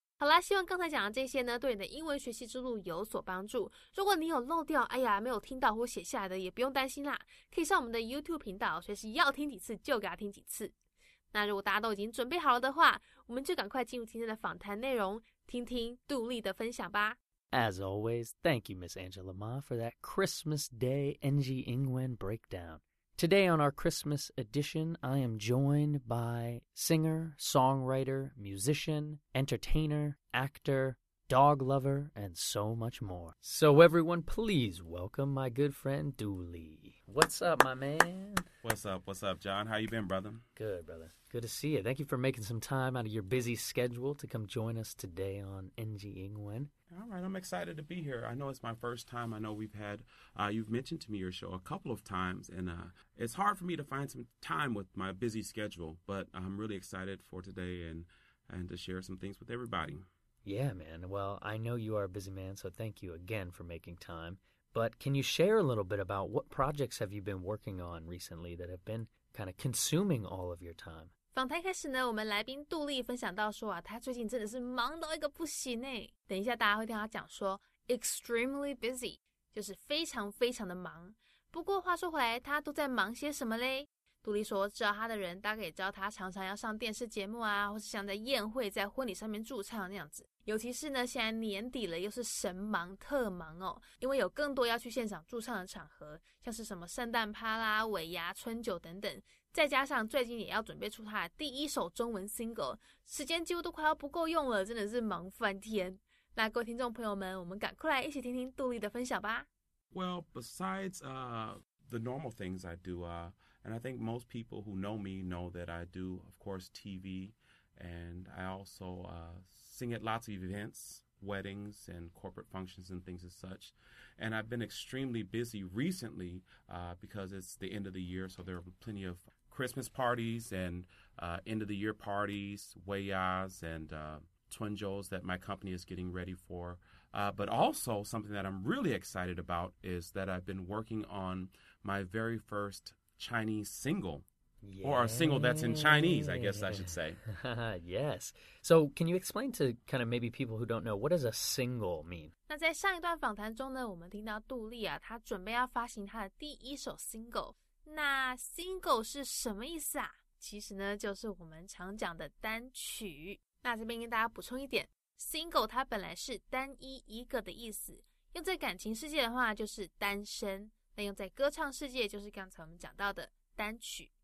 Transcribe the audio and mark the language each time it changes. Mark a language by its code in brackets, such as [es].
[zh] 好啦，希望刚才讲的这些呢对你的英文学习之路有所帮助。如果你有漏掉，哎呀没有听到或写下来的，也不用担心啦，可以上我们的 YouTube 频道学习，要听几次就给他听几次。那如果大家都已经准备好了的话，我们就赶快进入今天的访谈内容，听听杜丽的分享吧。 [en] As always, thank you, Miss Angela Ma, for that Christmas Day NG Ingwen breakdown. Today on our Christmas edition, I am joined by singer, songwriter, musician, entertainer, actor, dog lover, and so much more. So everyone, please welcome my good friend Dooley. What's up, my man? What's up, John? How you been, brother? Good, brother. Good to see you. Thank you for making some time out of your busy schedule to come join us today on NG Ingwen. All right, I'm excited to be here. I know it's my first time. I know we've had, you've mentioned to me your show a couple of times, and it's hard for me to find some time with my busy schedule, but I'm really excited for today and to share some things with everybody. Yeah, man. Well, I know you are a busy man, so thank you again for making time. But can you share a little bit about what projects have you been working on recently that have been kind of consuming all of your time? [zh] 访谈开始呢，我们来宾杜丽分享到说啊，他最近真的是忙到一个不行诶。等一下大家会听他讲说 [en] extremely busy, [zh] 就是非常非常的忙。不过话说回来，他都在忙些什么嘞？杜丽说，知道他的人大概也知道他常常要上电视节目啊，或是像在宴会、在婚礼上面驻唱那样子。尤其是呢，现在年底了，又是神忙特忙哦，因为有更多要去现场驻唱的场合，像是什么圣诞趴啦、尾牙、春酒等等。再加上最近也要准备出他的第一首中文 single， 时间几乎都快要不够用了，真的是忙翻天。那各位听众朋友们，我们赶快来一起听听杜丽的分享吧。 [en] Well, besides the normal things I do, And I think most people who know me know that I do, of course, TV, and I also sing at lots of events, weddings and corporate functions and things as such. And I've been extremely busy recently because it's the end of the year, so there are plenty of Christmas parties and end-of-the-year parties, weyas, and twinjos that my company is getting ready for. But also something that I'm really excited about is that I've been working on my very first Chinese single. Yay. Or a single that's in Chinese, I guess I should say. Yes. So can you explain to kind of maybe people who don't know, what does a single mean? [zh] 那在上一段访谈中呢，我们听到杜丽啊，她准备要发行她的第一首 single。那 single 是什么意思啊？其实呢，就是我们常讲的单曲。那这边跟大家补充一点， single 它本来是单一一个的意思，用在感情世界的话就是单身，那用在歌唱世界就是刚才我们讲到的单曲。